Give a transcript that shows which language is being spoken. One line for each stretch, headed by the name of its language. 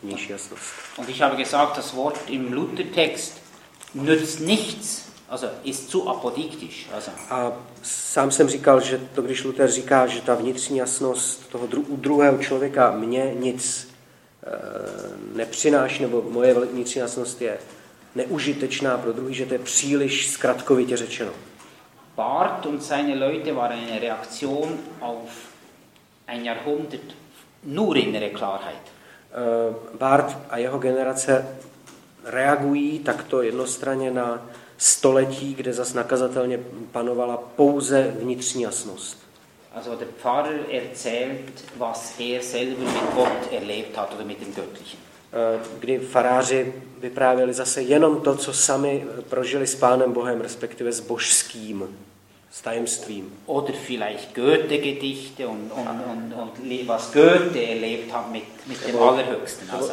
German: Und ich habe gesagt, das Wort im Luther-Text nützt nichts, also ist zu apodiktisch. Also.
Czech: A sám jsem říkal, že to, když Luther říká, že ta vnitřní jasnost toho u druhého člověka mě nic nepřináší, nebo moje vnitřní jasnost je neužitečná pro druhý, že to je příliš zkratkovitě řečeno.
German: Barth und seine Leute war eine Reaktion auf ein Jahrhundert nur innere Klarheit.
Czech: Barth a jeho generace reagují takto jednostranně na století, kde zas nakazatelně panovala pouze vnitřní jasnost.
German: Also der Pfarrer erzählt, was er selber mit Gott erlebt hat oder mit dem Göttlichen.
Czech: Kdy faráři vyprávěli zase jenom to, co sami prožili s Pánem Bohem, respektive s božským, s tajemstvím.
German: Oder vielleicht Goethe-Gedichte und was Goethe erlebt hat mit dem Allerhöchsten.